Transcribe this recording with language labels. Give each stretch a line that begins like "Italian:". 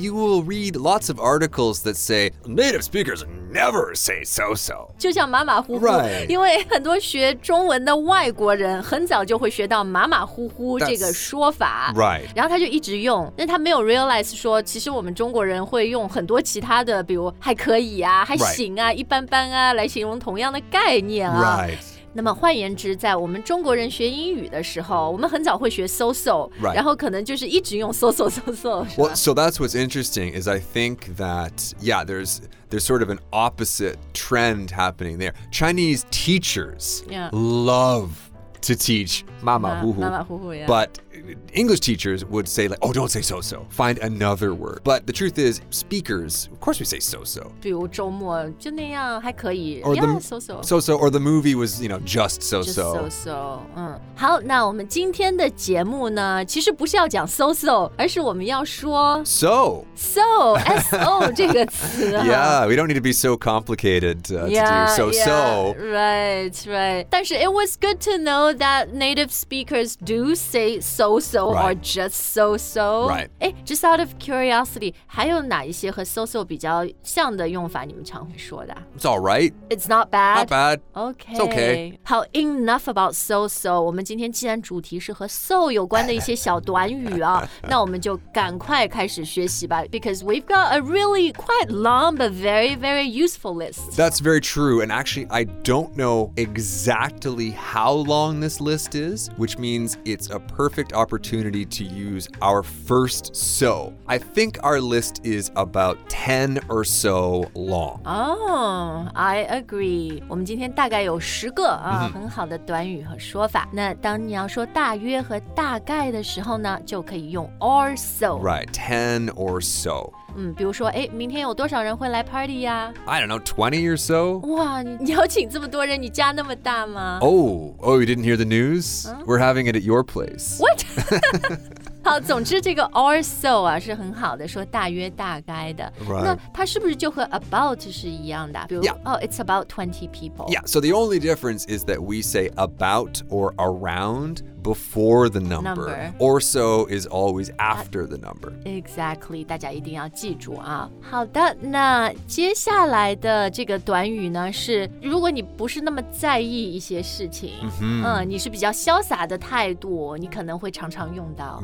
English: You will read lots of articles that say, native speakers never say so-so.
Chinese: 就像马马虎虎。
English: Right.
Chinese: 因为很多学中文的外国人很早就会学到马马虎虎这个说法。
English: Right.
Chinese: 然后他就一直用，但他没有 realize 说，其实我们中国人会用很多其他的，比如还可以啊，还行啊、一般般啊，来形容同样的概念啊。
English: Right.
Chinese: 那么换言之，在我们中国人学英语的时候，我们很早会学 so-so、
English: right.
Chinese: 然后可能就是一直用 so-so so-so。
English: Well, so that's what's interesting is I think that, yeah, there's sort of an opposite trend happening there. Chinese teachers、 yeah. love to teach 马马虎虎、 yeah. but English teachers would say like, oh, don't say so-so, find another word. But the truth is, speakers, of course we say so-so.
Chinese: 比如周末就那样还可以
English: so-so, or the movie was, you know, just so-so. Just so-so, 嗯。
Chinese: 好，那我们今天的节目呢，其实不是要讲 so-so, 而是我们要说
English: so.
Chinese: So, S-O 这个词、啊。
English: Yeah, we don't need to be so complicated、to do so-so. Yeah, right, right.
Chinese: 但是
English: it was good to know that native speakers do say so-so. So-so、 right. or just so-so. Right. Just out of curiosity,
Chinese: 还有哪一些和 so-so 比较像的用法你们常会说的？
English: It's all right. It's not bad. Not bad. Okay. It's okay. 好 enough about so-so.
Chinese: 我们今天既然主题是和 so 有关的一些小短语啊，那我们就赶快开始学习吧。
English: Because we've got a really quite long but very, very useful list. That's very true. And actually, I don't know exactly how long this list is, which means it's a perfect opportunity to use our first so. I think our list is about 10 or so long. Oh, I agree.
Chinese: 我们今天大概有十个、很好的短语和说法。那当你要说大约和大概的时候呢，就可以用 or so.
English: Right, 10 or so.
Chinese: 比如说诶明天有多少人会来 party 呀、
English: I don't know, 20 or so?
Chinese: 哇你邀请这么多人你家那么大吗
English: Oh, you didn't hear the news?、We're having it at your place. What?
Chinese: 好总之这个 or so 啊是很好的说大约大概的、
English: right.
Chinese: 那它是不是就和 about 是一样的比如、
English: yeah. Oh, it's about 20 people. Yeah, so the only difference is that we say about or aroundbefore the number. Or so is always after the number.
Chinese: Exactly, 大家一定要记住啊。好的，那接下来的这个短语呢是如果你不是那么在意一些事情、你是比较潇洒的态度你可能会常常用到。